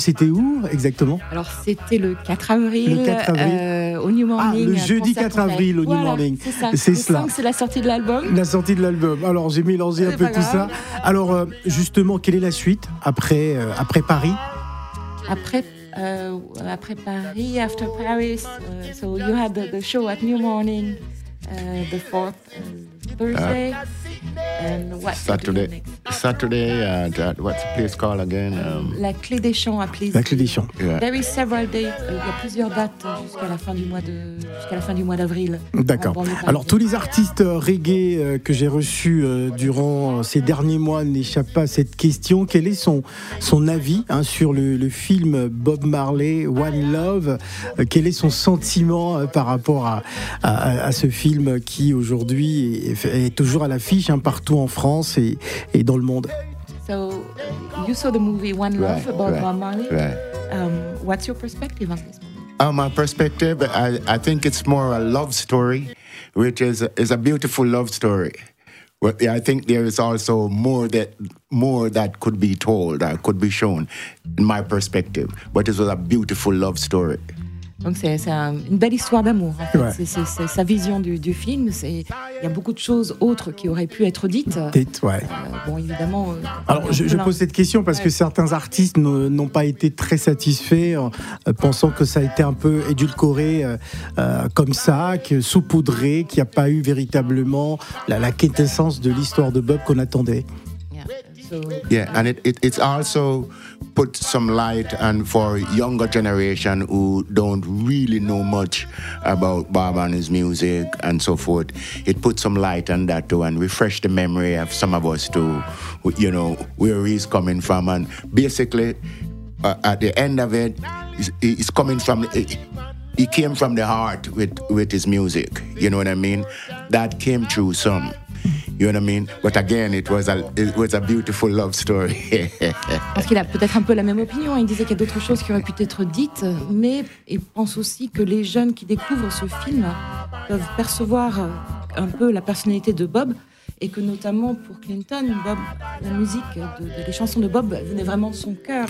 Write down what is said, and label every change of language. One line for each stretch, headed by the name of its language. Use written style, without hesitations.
French: C'était où exactement ? Alors, c'était le 4 avril. Le 4 avril. Au New Morning. Ah, le jeudi 4 avril au New Morning. C'est ça. C'est le 5, c'est la sortie de l'album. La sortie de l'album. Alors, j'ai mélangé un peu tout ça. Alors, justement, quelle est la suite après, après Paris ? Après Paris,
English: after Paris, so you had the show at New Morning, the fourth Thursday, and what Saturday? Saturday and what's the place called again?
French: La Clé des Champs, à Plaisir. La Clé des Champs.
English: Yeah. There is several dates.
French: Il y a plusieurs dates jusqu'à la fin du mois de d'avril. D'accord. Alors tous les artistes reggae que j'ai reçus durant ces derniers mois n'échappent pas à cette question. Quel est son avis sur le film Bob Marley One Love? Quel est son sentiment par rapport à ce film qui aujourd'hui est toujours à l'affiche partout en France et dans le monde.
English: So you saw the movie One Love about Bob Marley. Right. What's your perspective on this movie? My perspective, I think it's more a love story, which is a beautiful love story. I think there is also more that could be told, that could be shown, in my perspective. But it was a beautiful love story.
French: Donc c'est une belle histoire d'amour. En fait. Ouais. C'est sa vision du film. Il y a beaucoup de choses autres qui auraient pu être dites. Bon, évidemment. Alors je pose cette question parce que certains artistes n'ont pas été très satisfaits, pensant que ça a été un peu édulcoré comme ça, que saupoudré, qu'il n'y a pas eu véritablement la quintessence de l'histoire de Bob qu'on attendait.
English: Yeah, and it's also put some light and for younger generation who don't really know much about Bob and his music and so forth, it put some light on that too and refresh the memory of some of us too, you know, where he's coming from. And basically, at the end of it, he's coming from, he came from the heart with his music, you know what I mean? That came through some. You know what I mean? But again, it was a beautiful love story.
French: Parce qu'il a peut-être un peu la même opinion. Il disait qu'il y a d'autres choses qui auraient pu être dites, mais il pense aussi que les jeunes qui découvrent ce film peuvent percevoir un peu la personnalité de Bob et que notamment pour Clinton, Bob, la musique, les chansons de Bob venaient vraiment de son cœur.